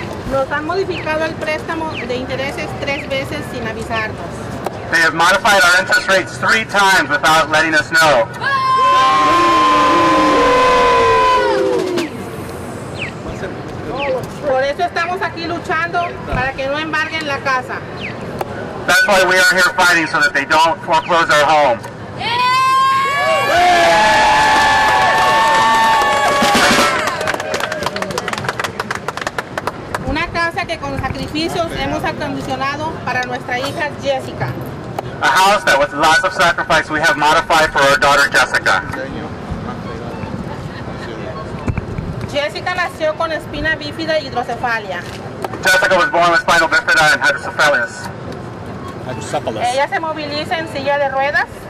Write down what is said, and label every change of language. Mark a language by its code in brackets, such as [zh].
[es] Nos han modificado el préstamo de intereses tres veces sin avisarnos. [en] They have modified our interest rates three times without letting us know. [es] Por eso estamos aquí luchando para que no embarguen la casa. [en] That's why we are here fighting so that they don't foreclose our home. Yeah! [es] Una casa que con sacrificios hemos acondicionado para nuestra hija Jessica. [en] A house that with lots of sacrifice we have modified for our daughter Jessica. [es] Jessica nació con espina bífida y hidrocefalia. [en] Jessica was born with spinal bifida and hydrocephalus. [es] Ella se moviliza en silla de ruedas.